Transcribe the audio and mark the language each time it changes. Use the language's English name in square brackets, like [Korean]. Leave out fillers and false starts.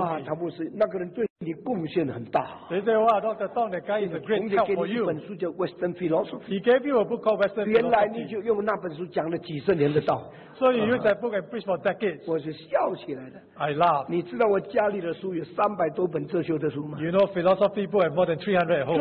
[Chinese] 哇，他不是那个人对你贡献很大。 [English] They said, "Wow, Dr. Tong, the guy is a great help for you." [Chinese] 一本书叫 Western Philosophy. [English] He gave you a book called Western Philosophy. [Chinese] 原来你就用那本书讲了几十年的道。 [English] So you use that book and preach for decades. [Chinese] 我是笑起来的。 [English] I laugh. [Chinese] 你知道我家里的书有300多本哲学的书吗 [English] ？You know, philosophy book have more than 300 at home.